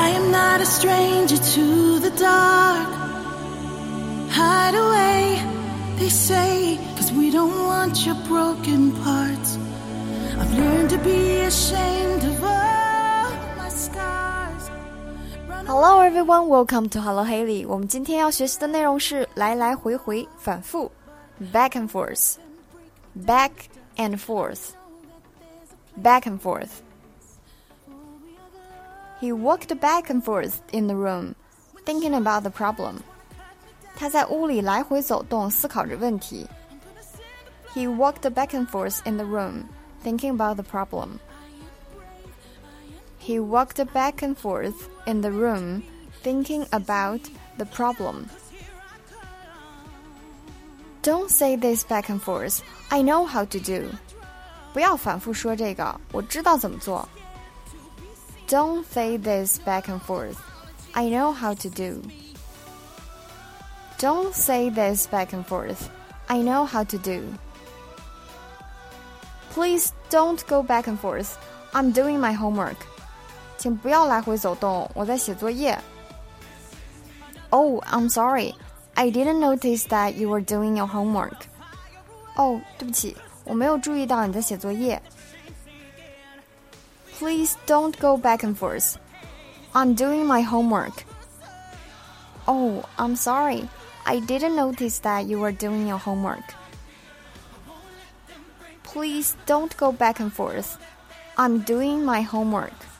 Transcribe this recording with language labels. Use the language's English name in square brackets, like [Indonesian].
[English] not a stranger to the dark. Hide away, they say, 'cause we don't want your broken parts. I've learned to be ashamed of all my scars. Hello everyone, welcome to Hello Haley. [Chinese] 我们今天要学习的内容是来来回回，反复。 [English] Back and forth. Back and forth. Back and forth. He walked back and forth in the room, thinking about the problem. [Chinese] 他在屋里来回走动，思考着问题。 [English] He walked back and forth in the room, thinking about the problem. He walked back and forth in the room, thinking about the problem. Don't say this back and forth. I know how to do. [Chinese] 不要反复说这个，我知道怎么做。 [English] Don't say this back and forth. I know how to do. Don't say this back and forth. I know how to do. Please don't go back and forth. I'm doing my homework. [Chinese] 请不要来回走动，我在写作业。 [English] Oh, I'm sorry. I didn't notice that you were doing your homework. [Chinese] Oh, 对不起，我没有注意到你在写作业。 [English] Please don't go back and forth. I'm doing my homework. Oh, I'm sorry. I didn't notice that you were doing your homework. Please don't go back and forth. I'm doing my homework.